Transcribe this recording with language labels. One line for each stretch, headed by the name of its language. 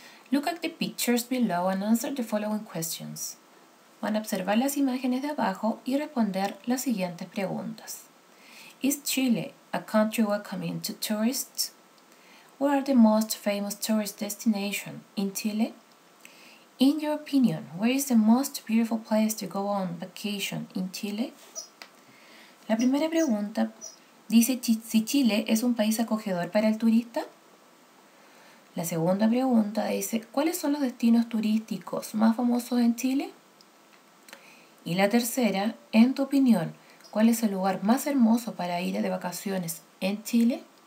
English: Look at the pictures below and answer the following questions.
Spanish: Van a observar las imágenes de abajo y responder las siguientes preguntas.
English: Is Chile a country welcoming to tourists? What are the most famous tourist destinations in Chile? In your opinion, where is the most beautiful place to go on vacation in Chile?
Spanish: La primera pregunta dice si Chile es un país acogedor para el turista. La segunda pregunta dice, ¿cuáles son los destinos turísticos más famosos en Chile? Y la tercera, en tu opinión, ¿cuál es el lugar más hermoso para ir de vacaciones en Chile?